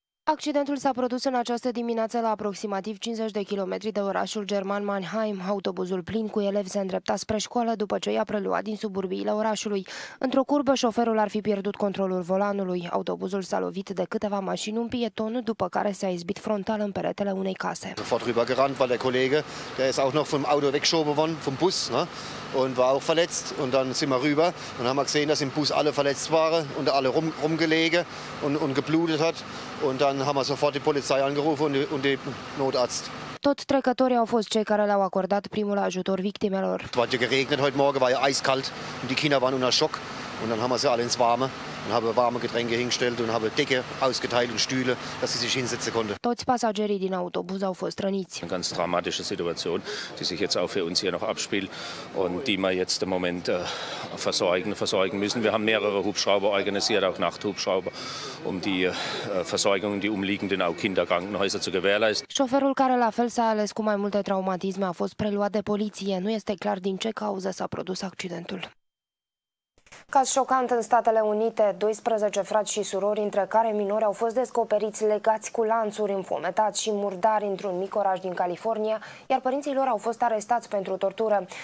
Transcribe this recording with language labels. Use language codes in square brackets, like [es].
[ro] Accidentul s-a produs în această dimineață la aproximativ 50 de kilometri de orașul german Mannheim. Autobuzul plin cu elevi se îndrepta spre școală după ce i-a preluat din suburbiile orașului. Într-o curbă, șoferul ar fi pierdut controlul volanului. Autobuzul s-a lovit de câteva mașini, un pieton, după care s-a izbit frontal în peretele unei case. [de] Sofort rübergerannt, weil der Kollege, der ist auch noch vom Auto weggeschoben worden, vom Bus, ne? Und war auch verletzt. Und dann sind wir rüber und haben gesehen, dass im Bus alle verletzt waren und alle rumgelegen und geblutet hat. Und dann haben wir sofort die Polizei angerufen und den Notarzt. [ro] Tot trecătorii au fost cei care le-au acordat primul ajutor victimelor. [de] Es hat geregnet heute Morgen, war ja eiskalt und die Kinder waren unter Schock. Und dann haben wir sie alle ins Warme. Und habe warme Getränke hingestellt und habe Decke ausgeteilt und Stühle, dass sie sich hinsetzen konnte. [ro] Toți pasagerii din autobuz au fost răniți. [de] Eine ganz dramatische Situation, die sich jetzt auch für uns hier noch abspielt und die wir jetzt im Moment versorgen müssen. Wir haben mehrere Hubschrauber organisiert, auch Nachthubschrauber, um die Versorgung in die umliegenden auch Kinderkrankenhäuser zu gewährleisten. [ro] Șoferul, care la fel s-a ales cu mai multe traumatisme, a fost preluat de poliție. Nu este clar din ce cauză s-a produs accidentul. Caz șocant în Statele Unite, 12 frați și surori, între care minori, au fost descoperiți legați cu lanțuri, înfometați și murdari într-un mic oraș din California, iar părinții lor au fost arestați pentru tortură.